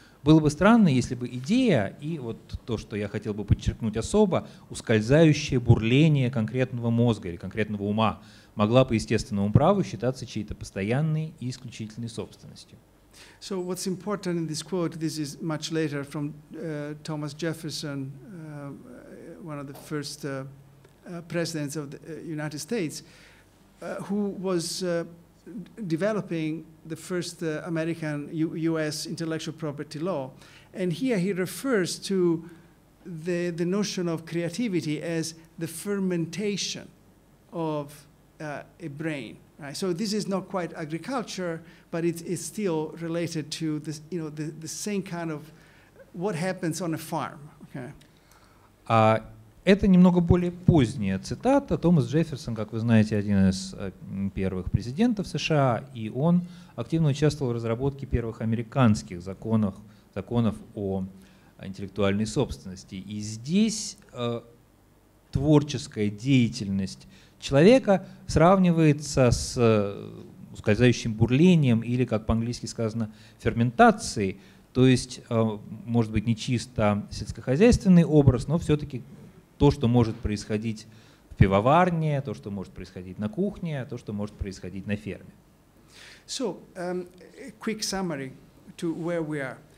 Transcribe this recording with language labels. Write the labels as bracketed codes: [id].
[ru] Было бы странно, если бы идея и вот то, что я хотел бы подчеркнуть особо, ускользающее бурление конкретного мозга или конкретного ума, могла по естественному праву считаться чьей-то постоянной и исключительной собственностью. [en] So what's important in this quote, this is much later from Thomas Jefferson, one of the first presidents of the United States, who was developing the first American U.S. intellectual property law. And here he refers to the notion of creativity as the fermentation of a brain. Right? So this is not quite agriculture, but it's still related to this, you know, the same kind of what happens on a farm. Okay? [ru] Это немного более поздняя цитата. Томас Джефферсон, как вы знаете, один из первых президентов США, и он активно участвовал в разработке первых американских законов о интеллектуальной собственности. И здесь творческая деятельность человека сравнивается с ускользающим бурлением или, как по-английски сказано, ферментацией. То есть, может быть, не чисто сельскохозяйственный образ, но все-таки то, что может происходить в пивоварне, то, что может происходить на кухне, то, что может происходить на ферме. [en] So, a quick summary to where we are.